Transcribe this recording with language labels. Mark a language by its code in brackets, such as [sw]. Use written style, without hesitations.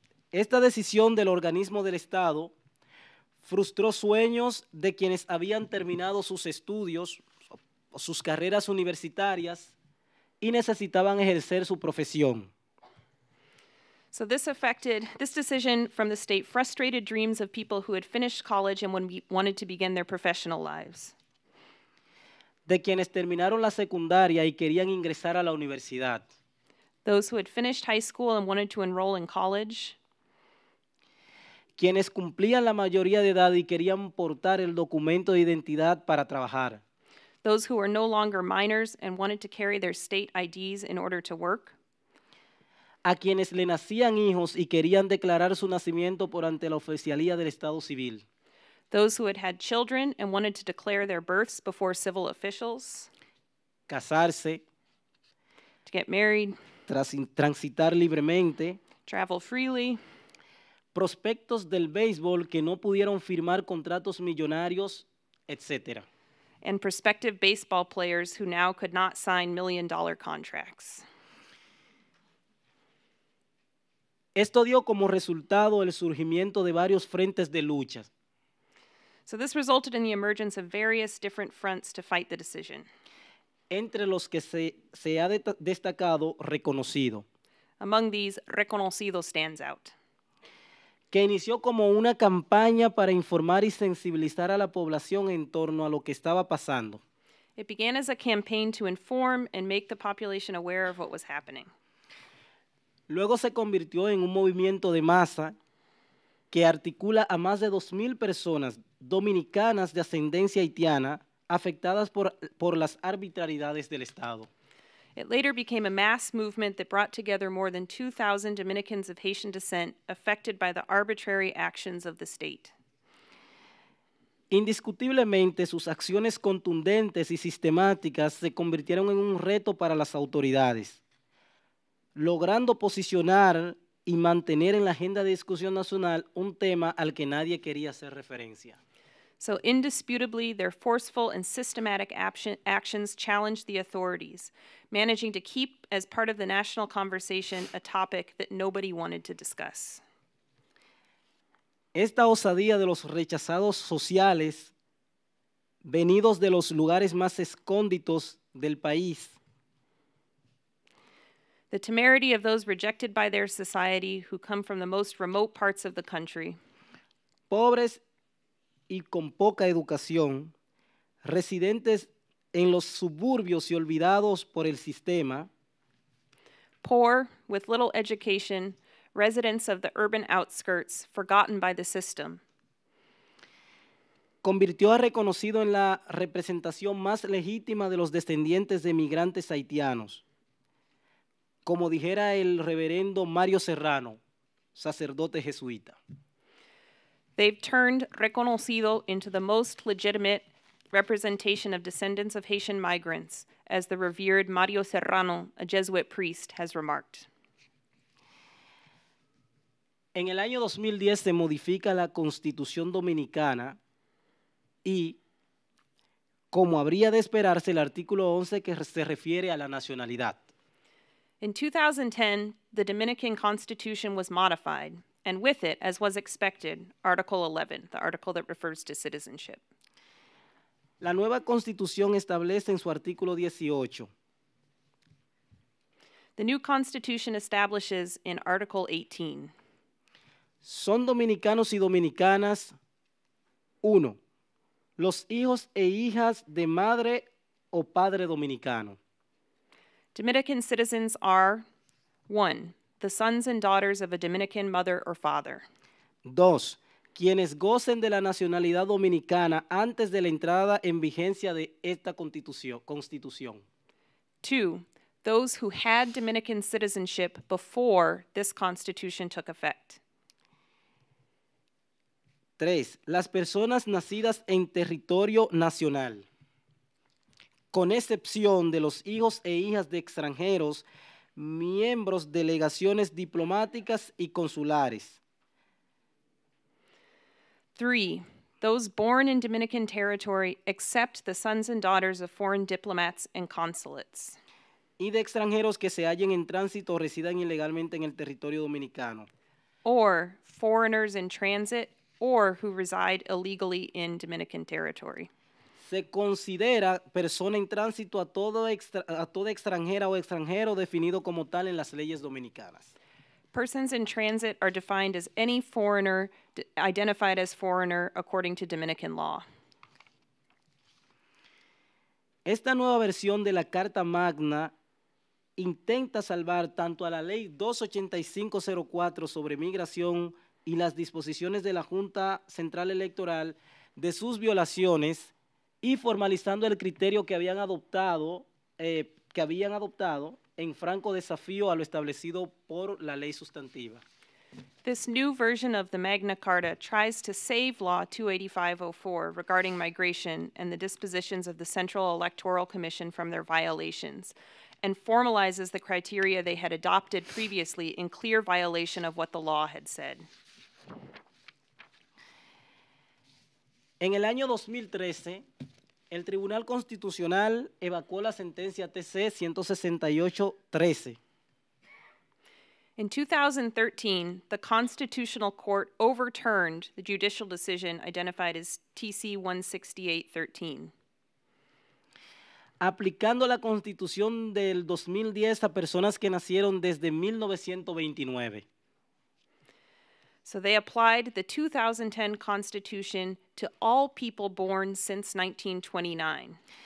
[es] Esta decisión del organismo del Estado frustró sueños de quienes habían terminado sus estudios, sus carreras universitarias y necesitaban ejercer su profesión. [en] So this decision from the state frustrated dreams of people who had finished college and wanted to begin their professional lives. [es] De quienes terminaron la secundaria y querían ingresar a la universidad. [en] Those who had finished high school and wanted to enroll in college. [es] Quienes cumplían la mayoría de edad y querían portar el documento de identidad para trabajar. [en] Those who were no longer minors and wanted to carry their state IDs in order to work. [es] A quienes le nacían hijos y querían declarar su nacimiento por ante la oficialía del Estado Civil. [en] Those who had had children and wanted to declare their births before civil officials. [es] Casarse. [en] To get married. [es] Transitar libremente. [en] Travel freely. [es] Prospectos del béisbol que no pudieron firmar contratos millonarios, etc. [en] And prospective baseball players who now could not sign million-dollar contracts. [es] Esto dio como resultado el surgimiento de varios frentes de lucha. [en] So this resulted in the emergence of various different fronts to fight the decision. [es] Entre los que se ha destacado Reconocido. [en] Among these, Reconocido stands out. [es] Que inició como una campaña para informar y sensibilizar a la población en torno a lo que estaba pasando. [en] It began as a campaign to inform and make the population aware of what was happening. [es] Luego se convirtió en un movimiento de masa que articula a más de 2,000 personas dominicanas de ascendencia haitiana afectadas por las arbitrariedades del Estado. [en] It later became a mass movement that brought together more than 2,000 Dominicans of Haitian descent affected by the arbitrary actions of the state. [es] Indiscutiblemente, sus acciones contundentes y sistemáticas se convirtieron en un reto para las autoridades, logrando posicionar y mantener en la agenda de discusión nacional un tema al que nadie quería hacer referencia. [en] So indisputably, their forceful and systematic actions challenged the authorities, managing to keep as part of the national conversation a topic that nobody wanted to discuss. [es] Esta osadía de los rechazados sociales, venidos de los lugares más escondidos del país, [en] the temerity of those rejected by their society who come from the most remote parts of the country. [es] Pobres y con poca educación, residentes en los suburbios y olvidados por el sistema. [en] Poor, with little education, residents of the urban outskirts, forgotten by the system. [es] Convirtió a Reconocido en la representación más legítima de los descendientes de migrantes haitianos. Como dijera el reverendo Mario Serrano, sacerdote jesuita. [en] They've turned Reconocido into the most legitimate representation of descendants of Haitian migrants, as the revered Mario Serrano, a Jesuit priest, has remarked. [es] En el año 2010 se modifica la Constitución Dominicana y, como habría de esperarse, el artículo 11 que se refiere a la nacionalidad. [en] In 2010, the Dominican Constitution was modified, and with it, as was expected, Article 11, the article that refers to citizenship. [es] La nueva constitución establece en su artículo 18. [en] The new constitution establishes in Article 18. [es] Son dominicanos y dominicanas, uno, los hijos e hijas de madre o padre dominicano. [en] Dominican citizens are, one, the sons and daughters of a Dominican mother or father. [es] Dos, quienes gocen de la nacionalidad dominicana antes de la entrada en vigencia de esta constitución. [en] Two, those who had Dominican citizenship before this constitution took effect. [es] Tres, las personas nacidas en territorio nacional, con excepción de los hijos e hijas de extranjeros, miembros de delegaciones diplomáticas y consulares. [en] Three, those born in Dominican territory, except the sons and daughters of foreign diplomats and consulates. [es] Y de extranjeros que se hallen en tránsito o residan ilegalmente en el territorio dominicano. [en] Or foreigners in transit or who reside illegally in Dominican territory. [es] Se considera persona en tránsito a toda extranjera o extranjero definido como tal en las leyes dominicanas. [en] Persons in transit are defined as any foreigner identified as foreigner according to Dominican law. [es] Esta nueva versión de la Carta Magna intenta salvar tanto a la ley 28504 sobre migración y las disposiciones de la Junta Central Electoral de sus violaciones y formalizando el criterio que habían adoptado en franco desafío a lo establecido por la ley sustantiva. [en] This new version of the Magna Carta tries to save Law 28504 regarding migration and the dispositions of the Central Electoral Commission from their violations, and formalizes the criteria they had adopted previously in clear violation of what the law had said. [es] En el año 2013, el Tribunal Constitucional evacuó la sentencia TC 168-13. [en] In 2013, the Constitutional Court overturned the judicial decision identified as TC 168-13. [es] Aplicando la Constitución del 2010 a personas que nacieron desde 1929. [en] So they applied the 2010 Constitution to all people born since 1929.